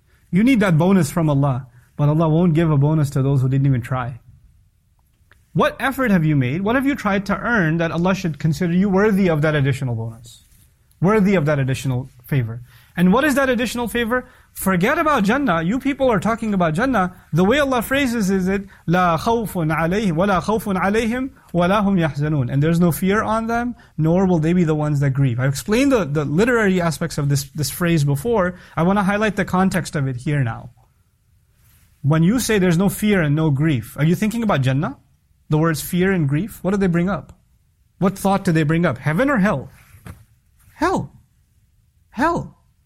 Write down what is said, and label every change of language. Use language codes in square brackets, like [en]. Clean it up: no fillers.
[en] You need that bonus from Allah, but Allah won't give a bonus to those who didn't even try. What effort have you made? What have you tried to earn that Allah should consider you worthy of that additional bonus? Worthy of that additional favor? And what is that additional favor? Forget about Jannah. You people are talking about Jannah. The way Allah phrases is it, [ar] لَا خَوْفٌ عَلَيْهِمْ وَلَا خَوْفٌ عَلَيْهِمْ وَلَا هُمْ يَحْزَنُونَ. [en] And there's no fear on them, nor will they be the ones that grieve. I've explained the literary aspects of this phrase before. I want to highlight the context of it here now. When you say there's no fear and no grief, are you thinking about Jannah? The words fear and grief, what do they bring up? What thought do they bring up? Heaven or hell? Hell. Hell.